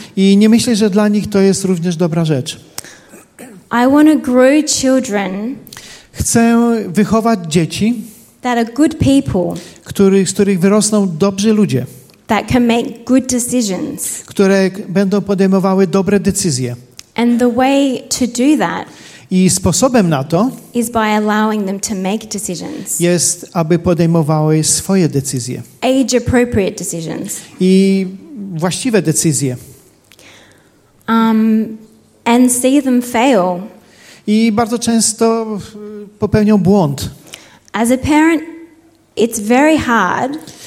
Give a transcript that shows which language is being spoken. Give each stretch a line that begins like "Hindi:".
Polish: I nie myślę, że dla nich to jest również dobra rzecz.
English: I want to grow children.
Polish: Chcę wychować dzieci.
English: That are good people.
Polish: Z których wyrosną dobrzy ludzie.
English: That can make good decisions.
Polish: Które będą podejmowały dobre decyzje.
English: And the way to do that.
Polish: I sposobem na to.
English: Is by allowing them to make decisions.
Polish: Jest, aby podejmowały swoje decyzje.
English: Age appropriate decisions.
Polish: I właściwe decyzje.
English: And see them fail.
Polish: I bardzo często popełnią błąd.
English: As a parent, it's very hard.